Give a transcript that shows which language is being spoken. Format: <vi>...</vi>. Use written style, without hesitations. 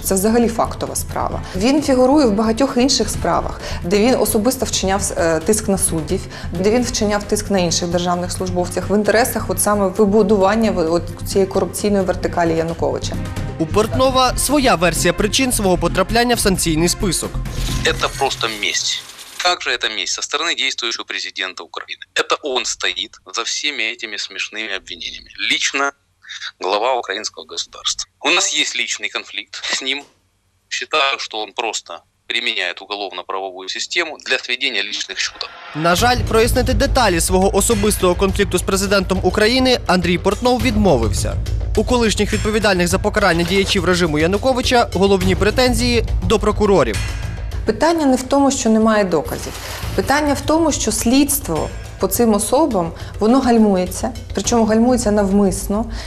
<uk>Це взагалі фактова справа. Він фігурує в багатьох інших справах, де він особисто вчиняв тиск на суддів, де він вчиняв тиск на інших державних службовців в інтересах от саме вибудування цієї корупційної вертикалі Януковича. У Портнова своя версія причин свого потрапляння в санкційний список.</uk> <ru>Это просто месть. Как же это месть со стороны действующего президента Украины? Это он стоит за всеми этими смешными обвинениями. Лично глава украинского государства. У нас есть личный конфликт с ним. Считаю, что он просто применяет уголовно-правовую систему для сведения личных счетов.</ru> <uk>На жаль, прояснити деталі свого особистого конфлікту з президентом України Андрій Портнов відмовився. У колишніх відповідальних за покарання діячів режиму Януковича головні претензії до прокурорів. Питання не в тому, що немає доказів. Питання в тому, що слідство по цим особам, воно гальмується, причому гальмується навмисно.</uk>